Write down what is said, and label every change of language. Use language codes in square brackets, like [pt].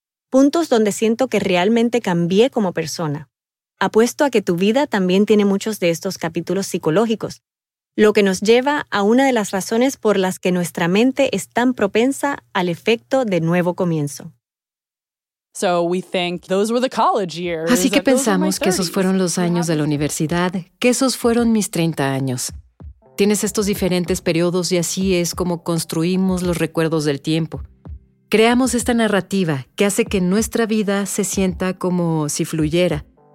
[es] Puntos donde siento que realmente cambié como persona. Apuesto a que tu vida también tiene muchos de estos capítulos psicológicos, lo que nos lleva a una de las razones por las que nuestra mente es tan propensa al efecto de nuevo comienzo. [en] So we think those were the college years. [es] Así que pensamos que esos fueron los años de la universidad, que esos fueron mis 30 años. Tienes estos diferentes periodos y así es como construimos los recuerdos del tiempo. Creamos esta narrativa que hace que nuestra vida se sienta como si fluyera.